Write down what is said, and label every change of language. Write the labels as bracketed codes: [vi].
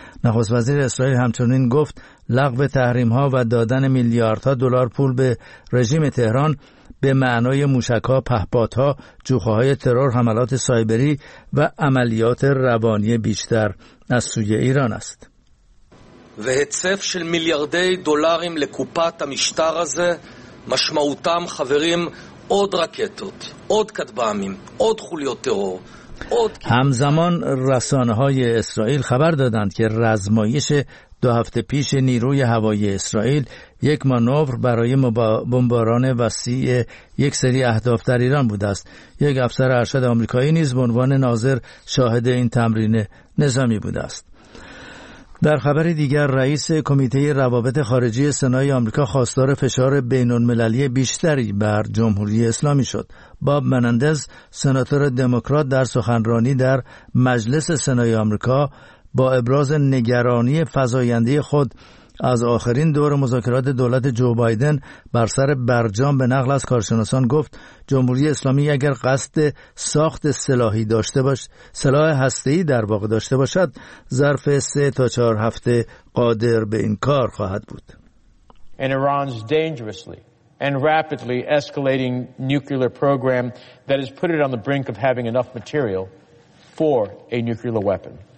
[fa] نخست وزیر اسرائیل همچنین گفت لغو تحریم‌ها و دادن میلیاردها دلار پول به رژیم تهران به معنای موشک‌ها، پهپادها، جوخه‌های ترور، حملات سایبری و عملیات روانی بیشتر از سوی ایران است. [he] و هتصف של מיליארדי דולרים לקופת המשטר הזה משמעותם חברים עוד רקטות, עוד כתב"מים, עוד חוליות טרור. [fa] همزمان رسانه‌های اسرائیل خبر دادند که رزمایش 2 هفته پیش نیروی هوایی اسرائیل یک مانور برای بمباران وسیع یک سری اهداف در ایران بوده است. یک افسر ارشد آمریکایی نیز به عنوان ناظر شاهد این تمرین نظامی بوده است. در خبر دیگر، رئیس کمیته روابط خارجی سنای آمریکا خواستار فشار بین‌المللی بیشتری بر جمهوری اسلامی شد. باب منندز، سناتور دموکرات، در سخنرانی در مجلس سنای آمریکا با ابراز نگرانی فزاینده خود از آخرین دور مذاکرات دولت جو بایدن بر سر برجام به نقل از کارشناسان گفت جمهوری اسلامی اگر قصد ساخت سلاحی داشته باشد، سلاح هسته‌ای در واقع داشته باشد، ظرف 3 تا 4 هفته قادر به این کار خواهد بود. [en] In Iran's dangerously and rapidly escalating nuclear program that has put it on the brink of having enough material for a nuclear weapon.